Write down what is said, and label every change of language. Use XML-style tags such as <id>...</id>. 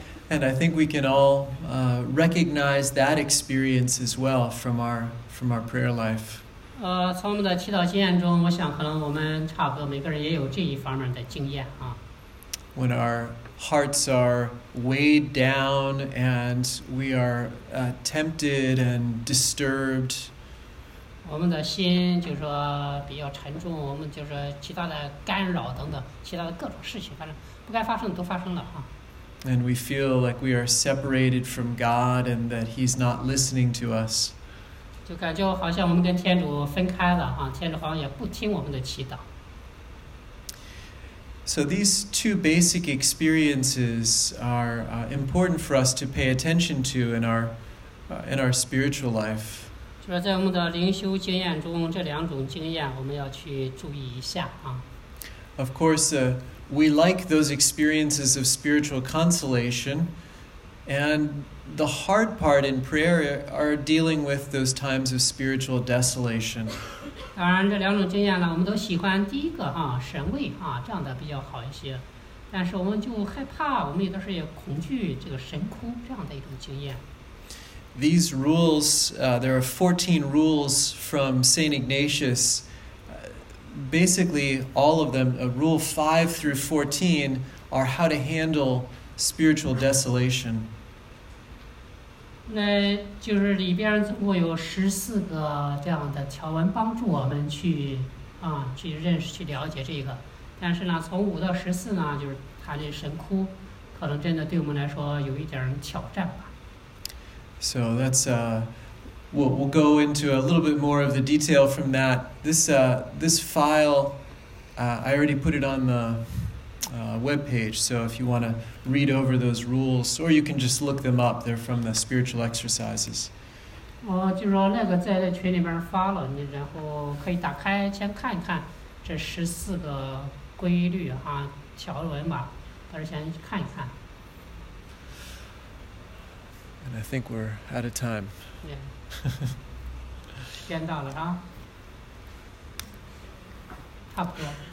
<en>And I think we can all recognize that experience as well from our prayer life.</en> <zh>从我们的祈祷经验中，我想可能我们差不多每个人也有这一方面的经验啊。</zh> <en>When our hearts are weighed down and we are tempted and disturbed.</en> <zh>我们的心就是说比较沉重，我们就是其他的干扰等等，其他的各种事情，反正不该发生的都发生了啊。</zh> <en>And we feel like we are separated from God and that He's not listening to us.</en> <zh>就感觉好像我们跟天主分开了啊，天主好像也不听我们的祈祷。</zh> <en>So these two basic experiences are important for us to pay attention to in our spiritual life.</en> <zh>就是在我们的灵修经验中，这两种经验我们要去注意一下啊。</zh> <en>Of course, we like those experiences of spiritual consolation, and the hard part in prayer are dealing with those times of spiritual desolation.</en> <zh>当然，这两种经验呢，我们都喜欢第一个啊，神位啊，这样的比较好一些。但是我们就害怕，我们有的时候也恐惧这个神哭这样的一种经验。</zh> <en>These rules, there are 14 rules from Saint Ignatius. Basically, all of them, rule 5 through 14, are how to handle spiritual desolation.</en> <zh>那就是里边总共有14个这样的条文帮助我们去啊去认识去了解这个。但是呢，从5到14呢，就是他的神哭，可能真的对我们来说有一点挑战吧。</zh> <en>So that's We'll go into a little bit more of the detail from that. This, this file, I already put it on the webpage, so if you want to read over those rules, or you can just look them up, they're from the spiritual exercises.</en> <zh>就说那个在群里边发了，你然后可以打开先看一看这14个规律啊，条文吧，到时先看一看。</zh> <en>And I think we're out of time.</en> <zh>Yeah. 颠倒了啊，差不多。</zh>